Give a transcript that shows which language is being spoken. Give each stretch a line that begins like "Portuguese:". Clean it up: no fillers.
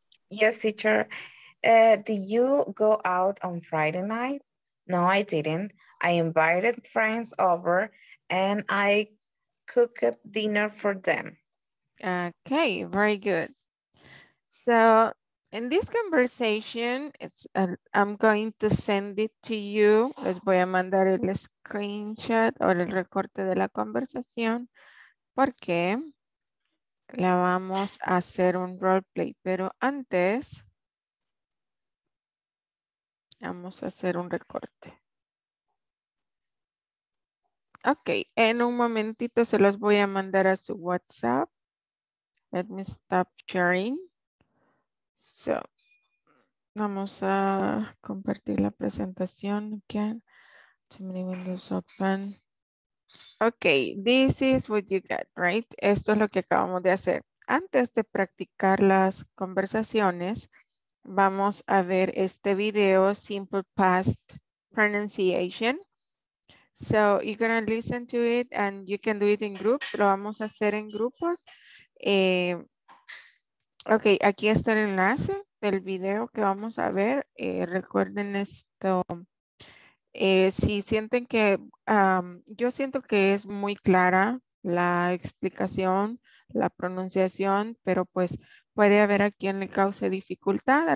English: Yes, teacher. Did you go out on Friday night? No, I didn't. I invited friends over and I cooked dinner for them. Okay, very good. So in this conversation, I'm going to send it to you.
Spanish: Les voy a mandar el screenshot o el recorte de la conversación porque la vamos a hacer un roleplay. Pero antes, vamos a hacer un recorte. Okay, en un momentito se los voy a mandar a su WhatsApp.
English: Let me stop sharing. So,
Spanish: vamos a compartir la presentación
English: again. Too many windows open. Okay, this is what you get, right?
Spanish: Esto es lo que acabamos de hacer. Antes de practicar las conversaciones, vamos a ver este video, Simple Past Pronunciation.
English: So, you're gonna listen to it and you can do it in groups.
Spanish: Lo vamos a hacer en grupos. Ok, aquí está el enlace del video que vamos a ver. Recuerden esto. Si sienten que, yo siento que es muy clara la explicación, la pronunciación, pero pues puede haber a quien le cause dificultad.